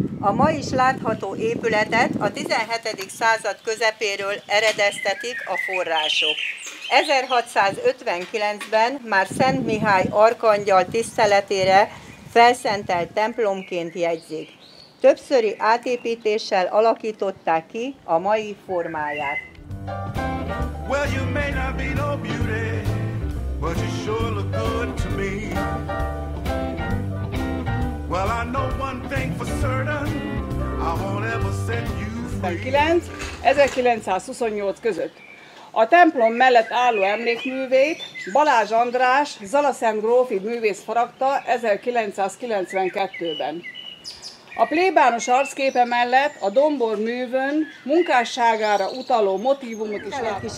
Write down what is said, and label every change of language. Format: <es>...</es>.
<hu>A ma is látható épületet a 17. század közepéről eredeztetik a források. 1659-ben már Szent Mihály arkangyal tiszteletére felszentelt templomként jegyzik. Többszöri átépítéssel alakították ki a mai formáját.</hu> <en>Well, you may not be no beauty, but you sure look good to me. Well, I know one thing for certain, I won't ever set you free.</en> <hu>1928 között. A templom mellett álló emlékművét Balázs András, Zalaszent grófi művész faragta 1992-ben. A plébános arcképe mellett a dombor művön munkásságára utaló motívumot is lehet is</hu>